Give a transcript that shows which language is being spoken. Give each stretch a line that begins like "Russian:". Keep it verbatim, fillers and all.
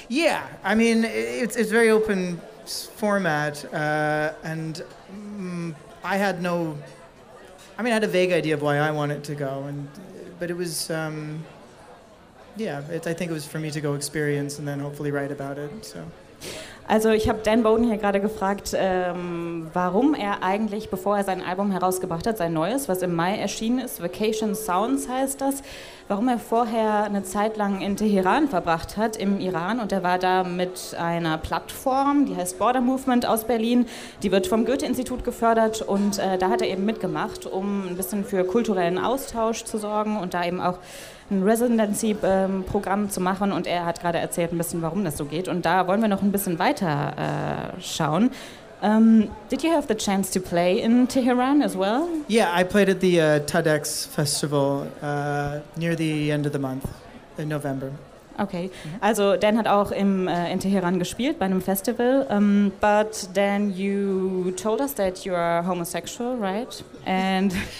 English: Yeah, I mean, it's it's very open format, uh, and um, I had no, I mean, I had a vague idea of why I wanted to go, and but it was, um, yeah, it, I think it was for me to go experience and then hopefully write about it, so.
German: Also ich habe Dan Bowden hier gerade gefragt, ähm, warum er eigentlich, bevor er sein Album herausgebracht hat, sein neues, was im Mai erschienen ist, Vacation Sounds heißt das, warum er vorher eine Zeit lang in Teheran verbracht hat, im Iran. Und er war da mit einer Plattform, die heißt Border Movement aus Berlin, die wird vom Goethe-Institut gefördert. Und äh, da hat er eben mitgemacht, um ein bisschen für kulturellen Austausch zu sorgen und da eben auch ein Residency-Programm zu machen, und er hat gerade erzählt ein bisschen, warum das so geht, und da wollen wir noch ein bisschen weiter äh, schauen.
English: Um, did you have the chance to play in Tehran as well? Yeah, I played at the uh, TEDx Festival uh, near the end of the month, in November.
German: Okay, also Dan hat auch im, uh, in Teheran gespielt, bei einem Festival, um,
English: but Dan, you told us that you are homosexual, right? And